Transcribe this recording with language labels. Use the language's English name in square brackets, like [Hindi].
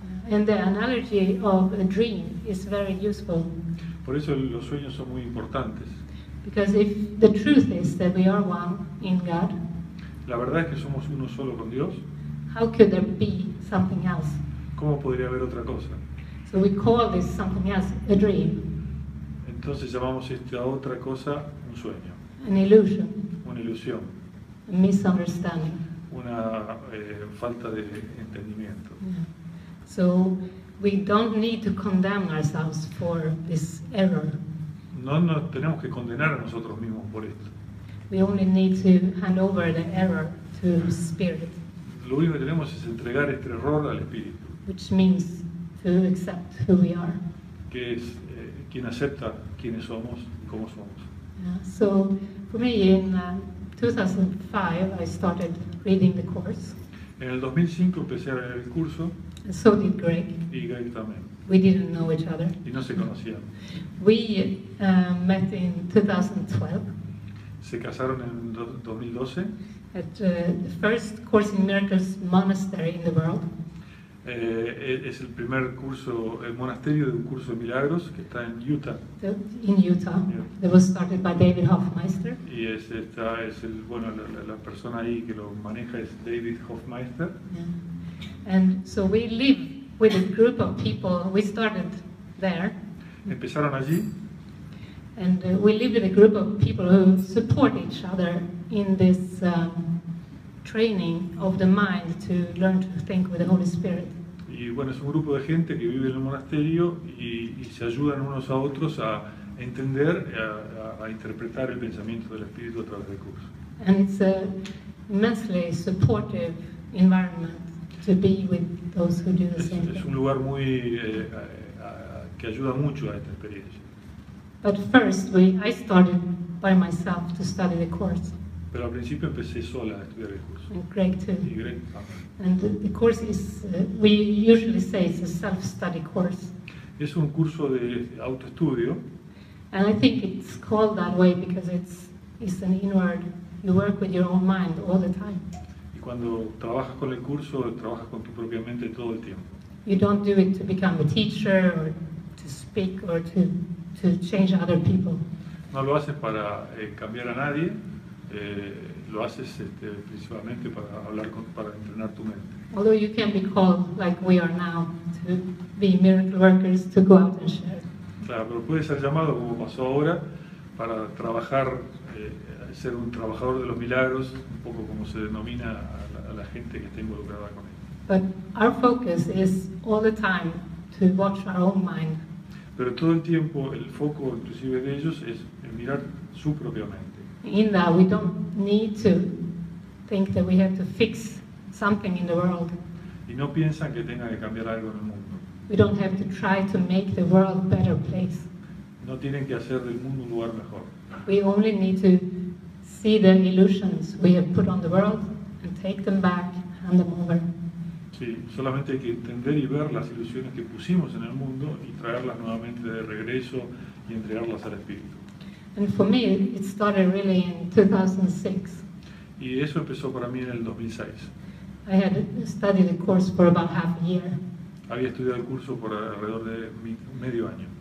[English] And the analogy of a dream is very useful. [Spanish] Por eso los sueños son muy importantes. [English] Because if the truth is that we are one in God. [Spanish] La verdad es que somos uno solo con Dios. [English] How could there be something else? [Spanish] ¿Cómo podría haber otra cosa? [English] So we call this something else a dream. [Spanish] Entonces llamamos esta otra cosa un sueño. [English] An illusion. [Spanish] Una ilusión. [English] A misunderstanding. [Spanish] Una falta de entendimiento. [English] Yeah. So we don't need to condemn ourselves for this error. [Spanish] No tenemos que condenar a nosotros mismos por esto. [English] We only need to hand over the error to spirit. [Spanish] Lo único que tenemos es entregar este error al Espíritu. [English] Which means to accept who we are. [Spanish] Que es quien acepta quiénes somos y cómo somos. [English] Yeah. So, for me, in 2005, I started reading the course. [Spanish] En el 2005 empecé a leer el curso. [English] And so did Greg. [Spanish] Y Greg también. [English] We didn't know each other. [Spanish] Y no se conocían. [English] We met in 2012. [Spanish] Se casaron en 2012. [English] At the first Course in Miracles monastery in the world. [Spanish] Es el primer curso, el monasterio de un curso de milagros que está en Utah. [English] In Utah. It was started by David Hoffmeister. [Spanish] Y la persona ahí que lo maneja es David Hoffmeister. [English] Yeah. And so we live with a group of people. We started there. [Spanish] Empezaron allí. [English] And we live with a group of people who support each other in this training of the mind to learn to think with the Holy Spirit. [Spanish] Y bueno, es un grupo de gente que vive en el monasterio y se ayudan unos a otros a entender, a interpretar el pensamiento del Espíritu a través del curso. [English] And it's an immensely supportive environment to be with those who do the same thing. [Spanish] Es un lugar muy que ayuda mucho a esta experiencia. [English] But first, I started by myself to study the course. [Spanish] Pero al principio empecé sola a estudiar el curso. [English] And Greg too. [Spanish] Y Greg también. [English] And the course is, we usually say it's a self-study course. [Spanish] Es un curso de autoestudio. [English] And I think it's called that way because it's an inward, you work with your own mind all the time. [Spanish] Y cuando trabajas con el curso, trabajas con tu propia mente todo el tiempo. [English] You don't do it to become a teacher or to speak or to change other people. [Spanish] No lo haces para cambiar a nadie. Lo haces principalmente para hablar para entrenar tu mente. [English] Although you can be called like we are now to be miracle workers to go out and share. [Spanish] Claro, pero puedes ser llamado como pasó ahora para trabajar, ser un trabajador de los milagros, un poco como se denomina a la gente que está involucrada con él. [English] But our focus is all the time to watch our own mind. [Spanish] Pero todo el tiempo el foco, inclusive de ellos, es mirar su propia mente. [English] In that we don't need to think that we have to fix something in the world. [Spanish] Y no piensan que tenga que cambiar algo en el mundo. [English] We don't have to try to make the world a better place. [Spanish] No tienen que hacer del mundo un lugar mejor. [English] We only need to see the illusions we have put on the world and take them back, hand them over. [Spanish] Sí, solamente hay que entender y ver las ilusiones que pusimos en el mundo y traerlas nuevamente de regreso y entregarlas al Espíritu. [English] And for me, it started really in 2006. [Spanish] Y eso empezó para mí en el 2006. [English] I had studied the course for about half a year. [Spanish] Había estudiado el curso por alrededor de medio año.